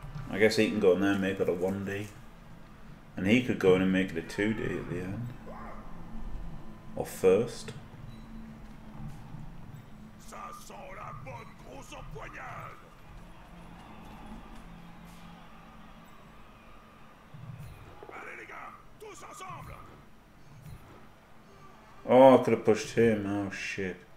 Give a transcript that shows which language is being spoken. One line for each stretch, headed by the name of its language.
English: I guess he can go in there and make it a 1D. And he could go in and make it a 2D at the end. Or first.
French: Ça sent la bonne grosse empoignade. Allez les gars, tous ensemble.
English: Oh, I could have pushed him. Oh shit.